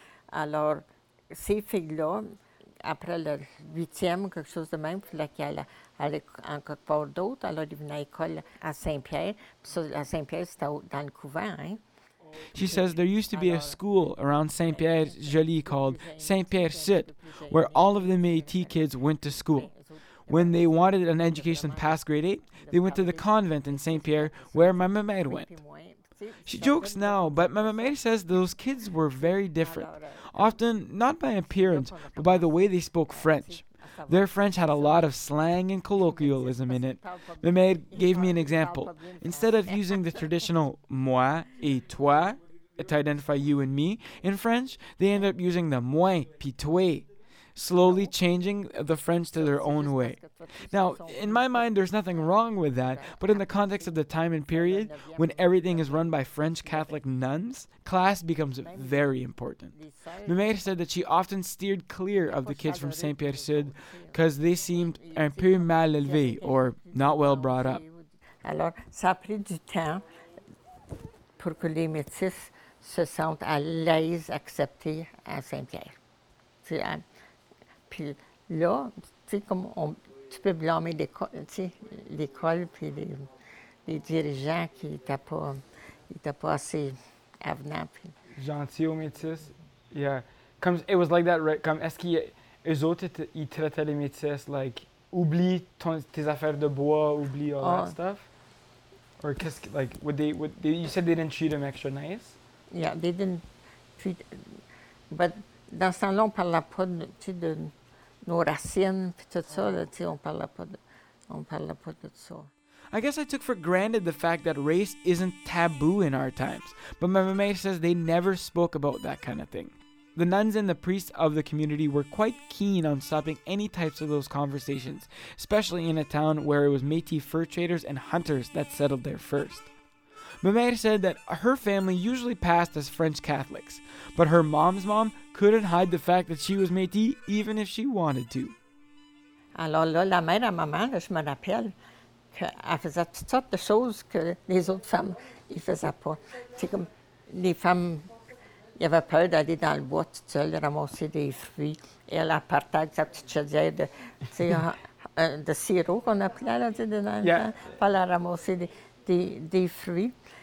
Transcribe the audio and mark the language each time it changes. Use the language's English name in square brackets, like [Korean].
[French] Alors, ces filles-là, après leur 8e, quelque chose de même, il fallait qu'elles allaient en quelque part d'autre, alors ils venaient à l'école à Saint-Pierre. Puis ça, à Saint-Pierre, c'était dans le couvent, hein? [English] She says there used to be a school around Saint-Pierre-Joly called Saint-Pierre-Sud, where all of the Métis kids went to school. When they wanted an education past grade 8, they went to the convent in Saint-Pierre, where my mamad went. She jokes now, but my mamad says those kids were very different, often not by appearance, but by the way they spoke French. Their French had a lot of slang and colloquialism in it. The maid gave me an example. Instead of using the traditional [French] moi et toi [English] to identify you and me, in French, they end up using the [French] moi puis toi, [English] slowly changing the French to their own way. Now, in my mind, there's nothing wrong with that, but in the context of the time and period, when everything is run by French Catholic nuns, class becomes very important. The maid said that she often steered clear of the kids from Saint-Pierre-Sud because they seemed [French] un peu mal élevés, [English] or not well brought up. [French] Alors, ça a pris du temps pour que les Métis se sentent à l'aise acceptés à Saint-Pierre. Puis là, tu sais, comme on, tu peux blâmer l'école, tu sais, l'école puis les dirigeants qui n'étaient pas assez avenants. Puis... Gentil aux Métis, [English] yeah. Comme, it was like that, right? [French] Comme, est-ce qu'eux autres, ils traitaient les Métis, like, oublie tes affaires de bois, oublie [English] all that stuff? Or [French] qu'est-ce que, [English] like, would they, you said they didn't treat them extra nice? Yeah, they didn't treat, but [French] dans ce temps-là, on ne parlait pas, tu sais, de... nos racines puis tout ça là, tu sais, on parle pas de ça. [English] I guess I took for granted the fact that race isn't taboo in our times, but my mamad says they never spoke about that kind of thing. The nuns and the priests of the community were quite keen on stopping any types of those conversations, especially in a town where it was Métis fur traders and hunters that settled there first. Mamad said that her family usually passed as French Catholics, but her mom's mom couldn't hide the fact that she was Métis even if she wanted to. [French] Alors là, la mère à maman, là, je me rappelle qu'elle faisait toutes sortes de choses que les autres femmes ne faisaient pas. C'est comme les femmes, elles avaient peur d'aller dans le bois toute seule, ramasser des fruits. Elle partait avec sa petite chaudière de sirop qu'on appelait là, dans le temps, pour aller ramasser des fruits.